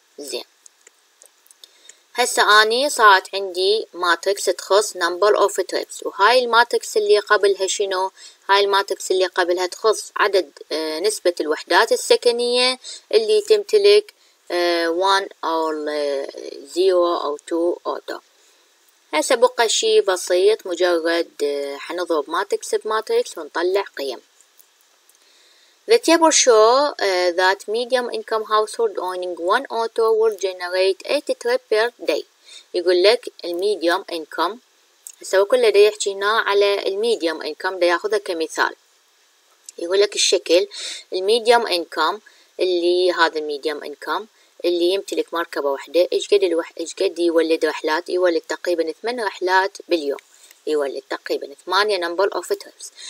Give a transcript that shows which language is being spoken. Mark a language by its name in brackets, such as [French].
[Arabic] زين هسه اني صارت عندي ماتريكس تخص [English] number of trips، [Arabic] وهاي الماتريكس اللي قبلها شنو؟ هاي الماتريكس اللي قبلها تخص عدد نسبة الوحدات السكنية اللي تمتلك 1 أو 0 أو 2 أوتو. هسه بقى شيء بسيط، مجرد حنضرب ماتريكس بماتريكس ونطلع قيم. [English] The table show that medium income household owning one auto will generate 8 trips per day. [Arabic] يقول لك الميديوم انكم، هسه كل ده يحكي هنا على الميديوم انكم، ده ياخذها كمثال. يقول لك الشكل الميديوم انكم اللي هذا الميديوم انكم اللي يمتلك مركبة واحدة، إيش قد يولد رحلات؟ يولد تقريبا 8 رحلات باليوم، يولد تقريبا 8 [English] number of trips.